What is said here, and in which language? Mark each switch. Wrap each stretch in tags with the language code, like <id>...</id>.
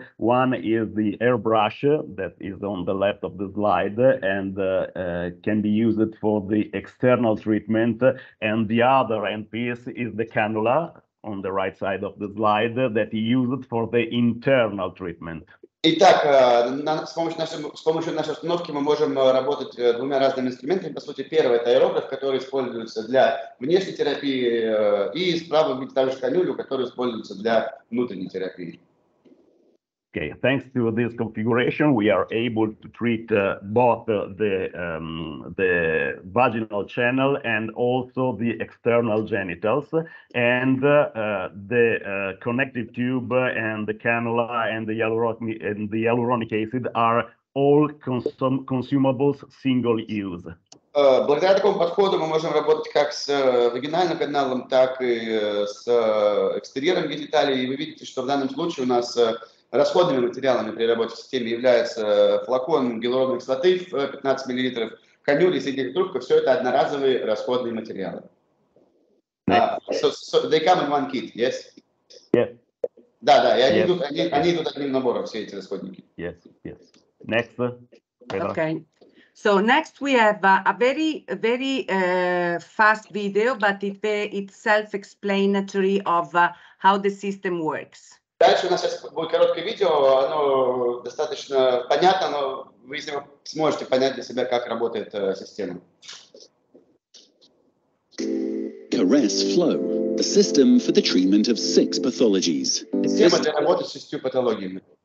<en>One is the airbrush that is on the left of the slide and can be used for the external treatment. And the other end piece is the cannula on the right side of the slide that is used for the internal treatment.</en> <ru>Итак, с помощью нашей установки мы можем работать двумя разными инструментами. По сути, первый – это аэрограф, который используется для внешней терапии, и справа – также канюлю, который используется для внутренней терапии.</ru> <en>Okay, thanks to this configuration, we are able to treat both the vaginal channel and also the external genitals, and the connective tube and the cannula and the hyaluronic acid are all consumables single use.</en> <ru>Благодаря такому подходу мы можем работать как с вагинальным каналом, так и с экстерьером гениталии. И вы видите, что в данном случае у нас расходными материалами при работе в системе является флакон гиалуроновой кислоты в 15 мл, канюли, соединительная трубка, все это одноразовые расходные материалы.</ru> <en>They come in one kit, yes? Yeah.</en> <ru>Да, и они,</ru> <en>yes.</en> <ru>Идут, они идут одним набором, все эти расходники.</ru> <en>Yes, yes. Next. Okay. So next we have a very, very fast video, but it's self-explanatory of how the system works.</en> <ru>Дальше у нас сейчас будет короткое видео, оно достаточно понятно, но вы если сможете понять для себя, как работает система.</ru> <en>CARES Flow, the system for the treatment of six pathologies.</en> <ru>Система для работы с шестью патологиями.</ru>